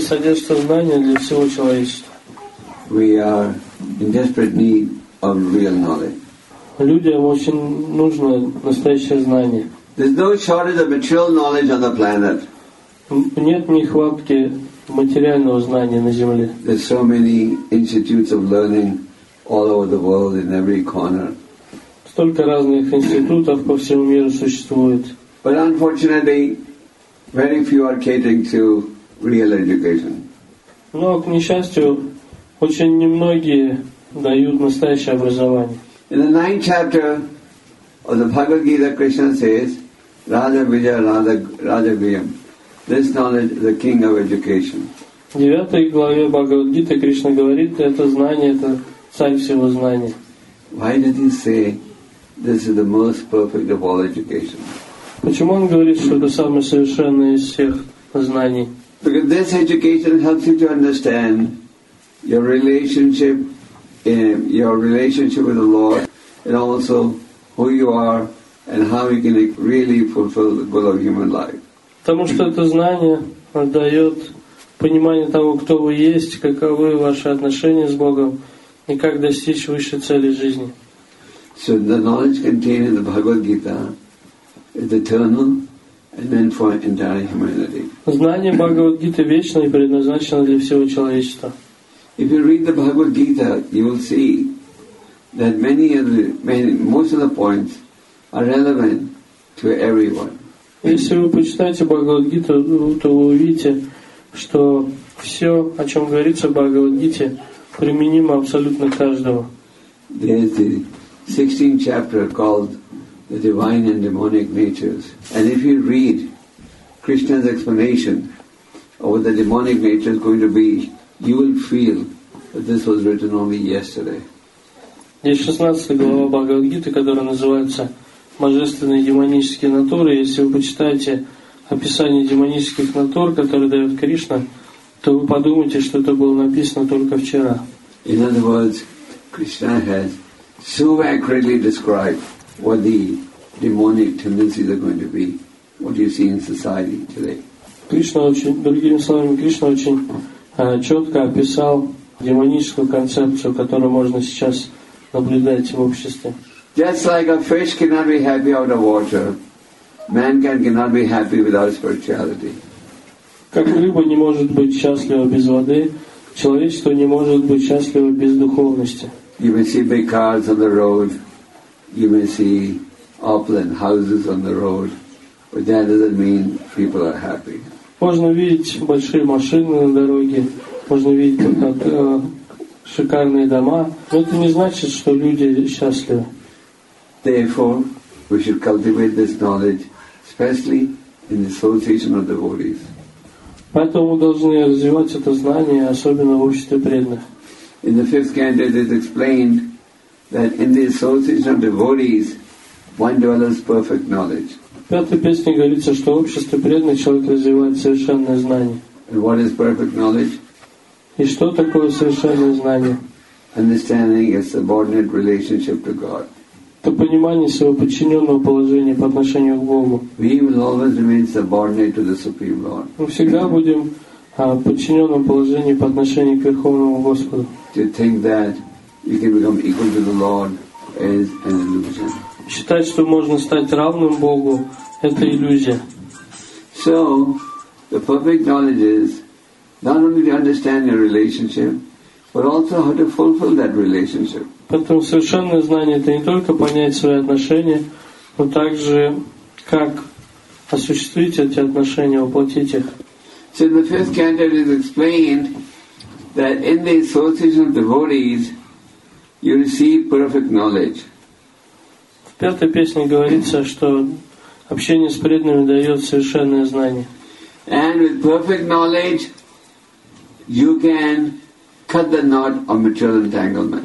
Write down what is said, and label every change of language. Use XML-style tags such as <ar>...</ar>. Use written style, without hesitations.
<ru>содержит знания для всего человечества.</ru> <en>We are in desperate need of real knowledge.</en> <ru>Людям очень нужно настоящее знание.</ru> <en>There's no shortage of material knowledge on the planet.</en> <ru>Нет нехватки материального знания на Земле.</ru> <en>There's so many institutes of learning all over the world in every corner.</en> <ru>Столько разных институтов по всему миру существует.</ru> <en>But unfortunately, very few are catering to real education.</en> <ru>Но, к несчастью, очень немногие дают настоящее образование.</ru> <en>In the 9th chapter of the Bhagavad Gita, Krishna says, Raja Vijaya Raja, Raja Vijayam. This knowledge is the king of education.</en> <ru>В 9 главе Бхагавад Гиты Кришна говорит, это знание, это царь всего знания.</ru> <en>Why did he say this is the most perfect of all education?</en> <ru>Почему он говорит, что это самое совершенное из всех знаний?</ru> <en>Because this education helps you to understand your relationship with the Lord, and also who you are and how you can really fulfill the goal of human life.</en> <ru>Потому что это знание дает понимание того, кто вы есть, каковы ваши отношения с Богом и как достичь высшей цели жизни.</ru> <en>So the knowledge contained in the Bhagavad Gita is eternal and then for entire humanity.</en> <ru>Знание Бхагавад Гиты вечно и предназначено для всего человечества.</ru> <en>If you read the Bhagavad Gita, you will see that most of the points are relevant to everyone.</en> <ru>Если вы почитаете Бхагавад-гиту, то вы увидите, что все, о чем говорится в Бхагавад-гите, применимо абсолютно каждому.</ru> <en>There's the 16th chapter called The Divine and Demonic Natures. And if you read Krishna's explanation of what the demonic nature is going to be, you will feel that this was written only yesterday.</en> <ru>Есть 16 глава Бхагавад-гиты, которая называется Божественные демонические натуры. Если вы почитаете описание демонических натур, которые дает Кришна, то вы подумаете, что это было написано только вчера.</ru> <en>In other words, Krishna has so accurately described what the demonic tendencies are going to be, what you see in society today.</en> <ru>Кришна очень четко описал демоническую концепцию, которую можно сейчас наблюдать в обществе.</ru> <en>Just like a fish cannot be happy out of water, mankind cannot be happy without spirituality.</en> <ru>Как рыба не может быть счастлива без воды, человечество не может быть счастливо без духовности.</ru> <en>You may see big cars on the road, you may see opulent houses on the road, but that doesn't mean people are happy.</en> <ru>Можно видеть большие машины на дороге, можно видеть шикарные дома, но это не значит, что люди счастливы.</ru> <en>Therefore, we should cultivate this knowledge, especially in the association of devotees.</en> <ru>Поэтому мы должны развивать это знание, особенно в обществе преданных.</ru> <en>In the fifth canto, it is explained that in the association of devotees, one develops perfect knowledge.</en> <ru>В пятой песне говорится, что в обществе преданных человек развивает совершенное знание.</ru> <en>And what is perfect knowledge?</en> <ru>И что такое совершенное знание?</ru> <en>Understanding a subordinate relationship to God.</en> <ru>Это понимание своего подчиненного положения по отношению к Богу.</ru> <en>We will always remain subordinate to the Supreme Lord.</en> <ru>Мы всегда будем подчиненным положению по отношению к Верховному Господу.</ru> <en>To think that you can become equal to the Lord is an illusion.</en> <ru>Считать, что можно стать равным Богу, это иллюзия.</ru> <en>So, the perfect knowledge is not only to understand your relationship, but also how to fulfill that relationship.</en> <ru>Поэтому совершенное знание — это не только понять свои отношения, но также как осуществить эти отношения, воплотить их.</ru> <en>So in the fifth canto it is explained that in the association of devotees you receive perfect knowledge.</en> <ru>В пятой песне говорится, что общение с преданными дает совершенное знание.</ru> <en>And with perfect knowledge you can cut the knot of material entanglement.</en>